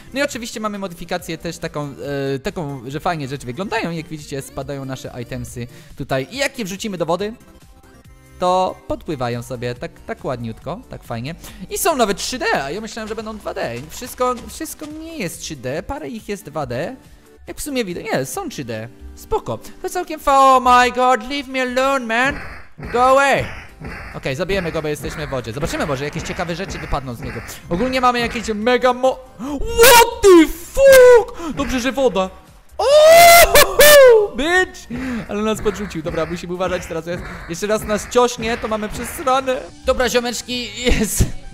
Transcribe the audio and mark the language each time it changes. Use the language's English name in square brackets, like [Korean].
[Polish] No i oczywiście mamy modyfikację też taką, taką, że fajnie rzeczy wyglądają, jak widzicie spadają nasze itemsy tutaj. I jak je wrzucimy do wody, to podpływają sobie tak, tak ładniutko, tak fajnie. I są nawet 3D, a ja myślałem, że będą 2D. Wszystko nie jest 3D, parę ich jest 2D. Jak w sumie widzę, nie, są 3D, spoko. To całkiem fajne. [English] Oh my god, leave me alone man, go away. [Polish] Okej, okay, zabijemy go, bo jesteśmy w wodzie. Zobaczymy, może jakieś ciekawe rzeczy wypadną z niego. Ogólnie mamy jakieś mega mo... [English] what the fuck? [Polish] Dobrze, że woda. [English] Ohohoho, bitch. [Polish] Ale nas podrzucił, dobra, musimy uważać teraz. Jeszcze raz nas ciośnie, to mamy przesrane. Dobra, ziomeczki, jest...